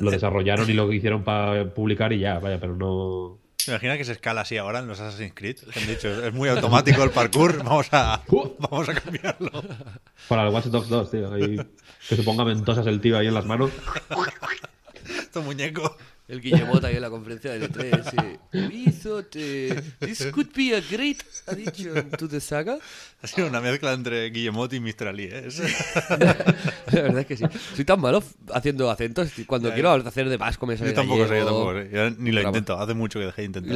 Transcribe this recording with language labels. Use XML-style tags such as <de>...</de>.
<es>Lo desarrollaron y lo hicieron para publicar y ya, vaya, pero no... Imagina que se escala así ahora en los Assassin's Creed. Han dicho, es muy automático el parkour, vamos a cambiarlo. Para el Watch Dogs 2, tío. Ahí, que se ponga mentosas el tío ahí en las manos. Tu muñeco. El Guillemot ahí en la conferencia del E3.</es> <en>Ubisoft, this could be a great addition to the saga.</en> <es>Ha sido una mezcla entre Guillemot y Mr. Lee, ¿eh? La verdad es que sí. Soy tan malo haciendo acentos. Cuando quiero hacer de Vasco me sale gallego. Yo tampoco sé, Yo ni lo intento. Hace mucho que dejé de intentar.</es>